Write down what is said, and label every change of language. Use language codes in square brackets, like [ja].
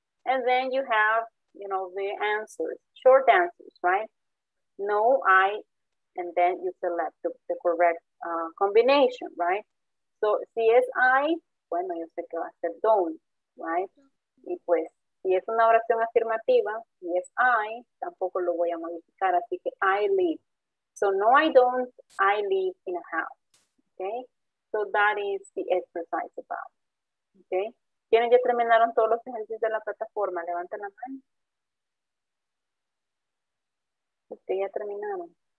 [en] And then you have, you know, the answers, short answers, right? No, I, and then you select the correct combination, right? So, [es] si es I, bueno, yo sé que va a ser [en] don't, right? [es] Y pues, si es una oración afirmativa, si es I, tampoco lo voy a modificar, así que [en] I live. So, no, I don't, I live in a house, okay? So, that is the exercise about, okay? [es] ¿Quieren ya terminaron todos los ejercicios de la plataforma? Levanten la mano. Ustedes ya terminaron.